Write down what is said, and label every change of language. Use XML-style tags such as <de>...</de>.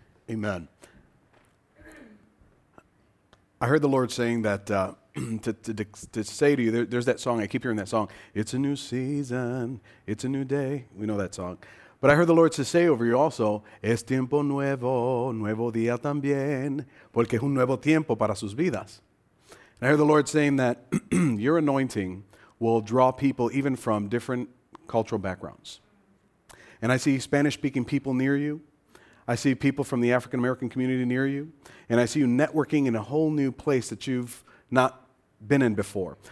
<en>Amen. I heard the Lord saying that to say to you, there's that song, I keep hearing that song, it's a new season, it's a new day. We know that song. But I heard the Lord to say over you also,</en> <es>es tiempo nuevo, nuevo día también, porque es un nuevo tiempo para sus vidas.</es> <en>And I heard the Lord saying that your anointing will draw people even from different cultural backgrounds. And I see Spanish-speaking people near you. I see people from the African-American community near you. And I see you networking in a whole new place that you've not been in before.</en>